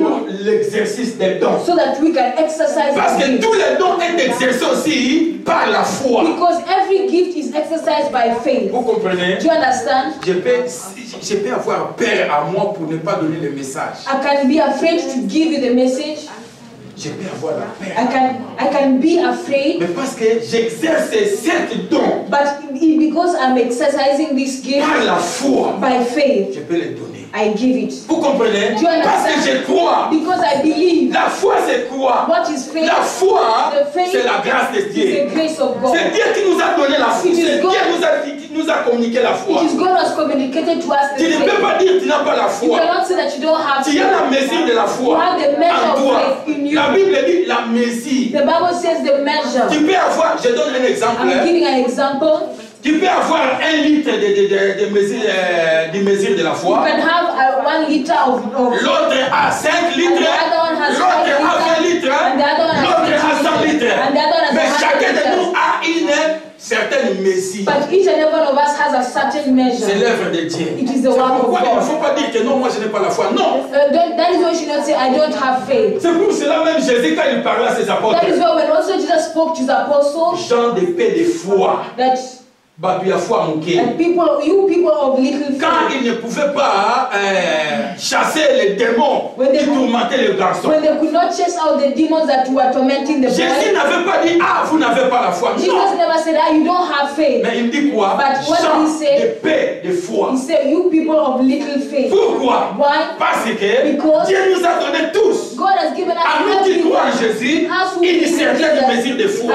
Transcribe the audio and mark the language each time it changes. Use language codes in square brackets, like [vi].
[fr] Pour l'exercice des dons. [en] So that we can exercise. [fr] Parce que tous les dons sont exercés aussi par la foi. [en] Because every gift is exercised by faith. [fr] Vous comprenez. [en] Do you understand. [fr] Je peux avoir peur à moi pour ne pas donner le message. [en] I can be afraid to give you the message. [fr] je peux avoir la peur. [en] I can be afraid. [fr] Mais parce que j'exerce cet don. [en] But because I'm exercising this gift. [fr] Par la foi. [en] By faith. [fr] Je peux le donner. [en] I give it. [fr] Vous comprenez? [en] Do you understand? [fr] Parce que je crois. [en] Because I believe. [fr] La foi c'est quoi? [en] What is faith? [fr] La foi. [en] The faith. [fr] C'est la grâce de Dieu. [en] The grace of God. [fr] C'est Dieu qui nous a donné la foi. C'est Dieu qui nous a dit. Nous a communiqué la foi. [en] It is God has communicated to us. [fr] Tu ne peux pas dire tu n'as pas la foi. [en] You cannot say that you don't have. [fr] Tu as la mesure de la foi. [en] You have the measure of faith in you. [fr] La Bible dit la mesure. [en] The Bible says the measure. [fr] Tu peux avoir, je donne un exemple. [en] I'm giving an example. [fr] Tu peux avoir un litre de mesure de la foi. [en] You can have a 1 liter of. [fr] L'autre a 5 litres. [en] And the other one has 5 litres. [fr] L'autre a 20 litres. [en] And the other one has 20 litres. [fr] L'autre a 100 litres. [en] And the other one has 100 litres. [fr] Mais chacun de nous a une certaine mesure. [en] But each and every one of us has a certain measure. [fr] C'est l'œuvre de Dieu. [en] It is the work of God. [fr] Il ne faut pas dire que non, moi je n'ai pas la foi. Non. [en] That is why you should not say I don't have faith. [fr] C'est pour cela même Jésus quand il parlait à ses apôtres. [en] That is why when also Jesus spoke to his apostles. [fr] Gens de peu de foi. [en] That. But you have faith, okay. And people, you people of little faith. [fr] Quand ils ne pouvaient pas chasser les démons qui tourmentaient le garçon. [en] When they could not chase out the demons that were tormenting the boy. [fr] Jésus n'avait pas dit ah vous n'avez pas la foi. Non. [en] Jesus never said ah you don't have faith. [fr] Mais il dit quoi? [en] But what [fr] Jean [en] did he say? [fr] De paix, de foi. [en] He said you people of little faith. [fr] Pourquoi? [en] Why? [fr] Parce que [en] because [fr] Dieu nous a donné tous. [en] God has given us. [fr] À nous qui croyons en Jésus, il nous sert de mesure de foi.